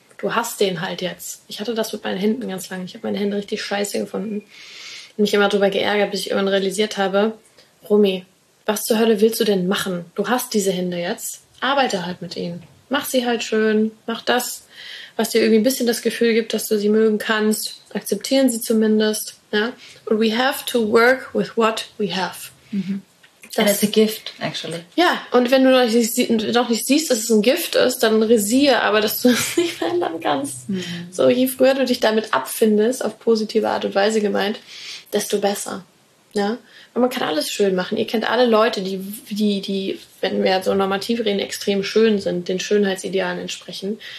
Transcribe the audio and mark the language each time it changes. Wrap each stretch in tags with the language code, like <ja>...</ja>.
<de>Du hast den halt jetzt. Ich hatte das mit meinen Händen ganz lange. Ich habe meine Hände richtig scheiße gefunden. Und mich immer darüber geärgert, bis ich irgendwann realisiert habe, Romy, was zur Hölle willst du denn machen? Du hast diese Hände jetzt. Arbeite halt mit ihnen. Mach sie halt schön. Mach das, was dir irgendwie ein bisschen das Gefühl gibt, dass du sie mögen kannst. Akzeptieren sie zumindest. Ja?</de> <en>And we have to work with what we have. Mm-hmm. That is a gift, actually.</en> <de>Ja, und wenn du noch nicht siehst, dass es ein Gift ist, dann resiere aber, dass du es nicht verändern kannst. Mm-hmm. So, je früher du dich damit abfindest, auf positive Art und Weise gemeint, desto besser. Ja? Und man kann alles schön machen. Ihr kennt alle Leute, die wenn wir so normativ reden, extrem schön sind, den Schönheitsidealen entsprechen.</de>